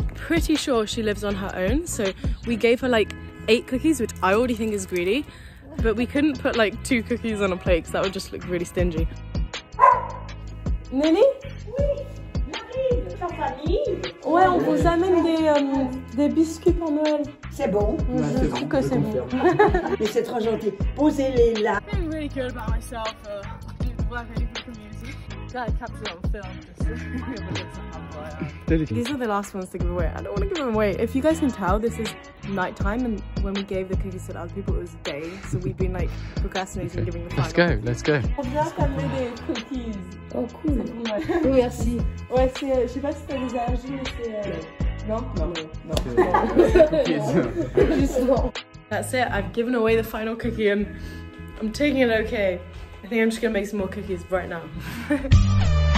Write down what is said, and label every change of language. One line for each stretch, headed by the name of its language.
English: Pretty sure she lives on her own, so we gave her like 8 cookies, which I already think is greedy, but we couldn't put like 2 cookies on a plate because that would just look really stingy. Nini?
French: Ouais, on vous amène des biscuits pour Noël. C'est bon. Je trouve que c'est bon. Mais c'est trop gentil. Posez-les là.
English: I'm feeling really good about myself. These are the last ones to give away. I don't want to give them away. If you guys can tell, this is nighttime, and when we gave the cookies to the other people, it was day. So we've been like procrastinating giving the final. Let's go, cookies. Let's go.
French: On vient t'amener des cookies.
English: Oh, cool.
French: Merci. Ouais, c'est. Je sais pas si t'as des allergies, mais c'est. Non.
English: That's it. I've given away the final cookie, and I'm taking it okay. I think I'm just gonna make some more cookies right now.